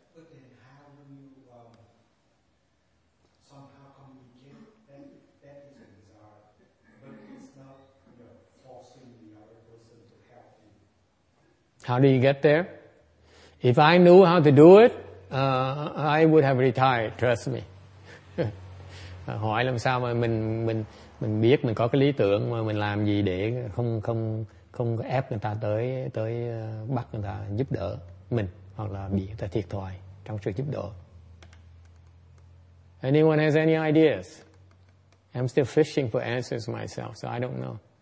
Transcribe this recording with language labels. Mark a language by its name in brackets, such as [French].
[English] But then how do you somehow communicate that? That is a desire. But it's not, you know, forcing the other person to help you. How do you get there? If I knew how to do it, I would have retired, trust me. [Vietnamese] Hỏi làm sao mà mình biết mình có cái lý tưởng mà mình làm gì để không có ép người ta tới bắt người ta giúp đỡ mình hoặc là bị người ta thiệt thòi trong sự giúp đỡ. [English] Anyone has any ideas? I'm still fishing for answers myself, so I don't know.